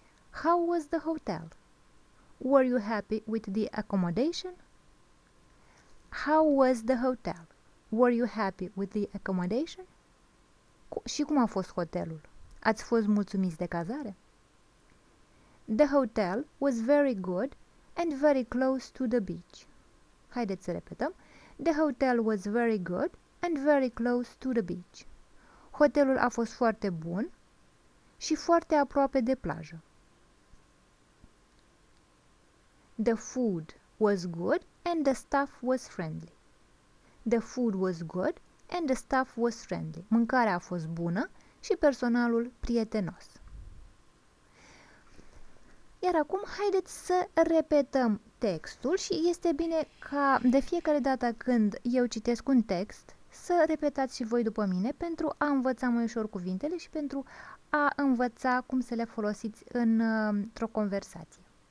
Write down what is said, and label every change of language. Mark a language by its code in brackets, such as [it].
[en] How was the hotel? Were you happy with the accommodation? How was the hotel? Were you happy with the accommodation? [ro] Și cum a fost hotelul? Ați fost mulțumiți de cazare? [en] The hotel was very good and very close to the beach. [ro] Haideți să repetăm. [en] The hotel was very good and very close to the beach. [ro] Hotelul a fost foarte bun și foarte aproape de plajă. [en] The food was good and the staff was friendly. The food was good and the staff was friendly. [ro] Mâncarea a fost bună și personalul prietenos. Iar acum haideți să repetăm textul și este bine ca de fiecare dată când eu citesc un text să repetați și voi după mine pentru a învăța mai ușor cuvintele și pentru a învăța cum să le folosiți într-o conversație.